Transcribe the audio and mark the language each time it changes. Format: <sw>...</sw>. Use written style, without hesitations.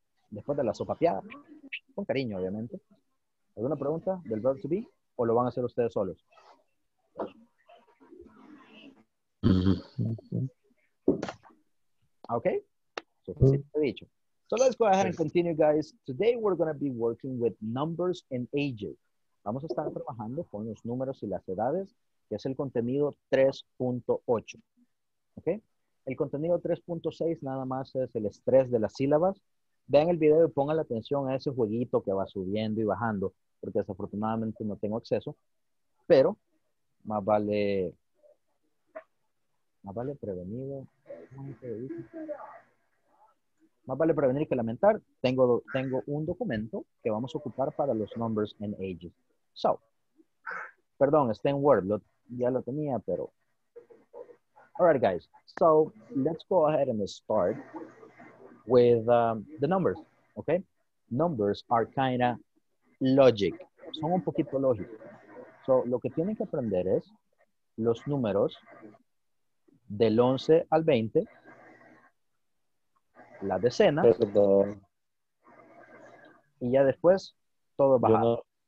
<es>Después de la sopapeada, con cariño, obviamente. ¿Alguna pregunta del verb to be? ¿O lo van a hacer ustedes solos?</es> <en>Okay. So, ¿sí te he dicho? So let's go ahead and continue, guys. Today we're going to be working with numbers and ages.</en> <es>Vamos a estar trabajando con los números y las edades, que es el contenido 3.8. Okay. El contenido 3.6 nada más es el estrés de las sílabas. Vean el video y pongan la atención a ese jueguito que va subiendo y bajando, porque desafortunadamente no tengo acceso. Pero más vale... Más vale prevenido. Más vale prevenir que lamentar. Tengo un documento que vamos a ocupar para los numbers and ages. So, perdón, está en Word. Ya lo tenía, pero... All right, guys.</es> <en>So, let's go ahead and start with the numbers, okay? Numbers are kind of logic. Son un poquito lógicos.</en> <es>So, lo que tienen que aprender es los números... Del 11 al 20, la decena, perdón. Y ya después, todo bajado. No.</es>